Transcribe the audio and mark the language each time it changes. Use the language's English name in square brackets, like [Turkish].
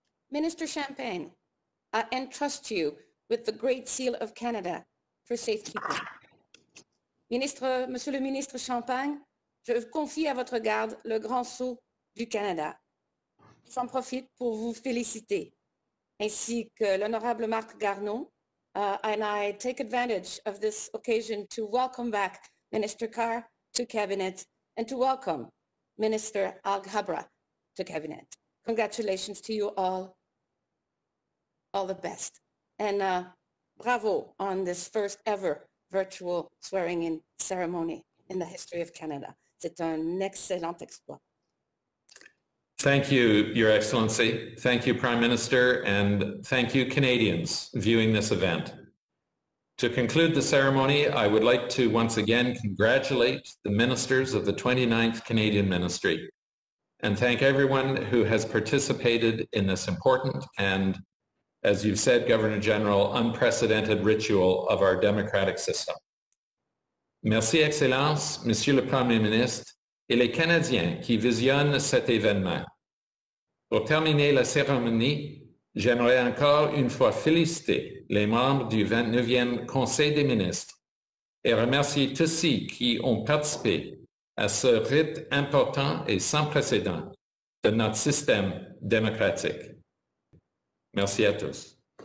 [English] Minister Champagne, I entrust you with the Great Seal of Canada for safekeeping. [French] Ministre, Monsieur le Ministre Champagne, je confie à votre garde le Grand Sceau du Canada. J'en profite pour vous féliciter, ainsi que l'honorable Marc Garneau. [English] And I take advantage of this occasion to welcome back Minister Carr to Cabinet and to welcome Minister Al-Ghabra to Cabinet. Congratulations to you all. All the best. And bravo on this first ever virtual swearing-in ceremony in the history of Canada. [French] C'est un excellent exploit. [English] Thank you, Your Excellency. Thank you, Prime Minister, and thank you, Canadians, viewing this event. To conclude the ceremony, I would like to once again congratulate the ministers of the 29th Canadian Ministry and thank everyone who has participated in this important and, as you've said, Governor General, unprecedented ritual of our democratic system. [French] Merci, Excellence, Monsieur le Premier Ministre, et les Canadiens qui visionnent cet événement. Pour terminer la cérémonie, j'aimerais encore une fois féliciter les membres du 29e Conseil des ministres et remercier tous ceux qui ont participé à ce rite important et sans précédent de notre système démocratique. Merci à tous.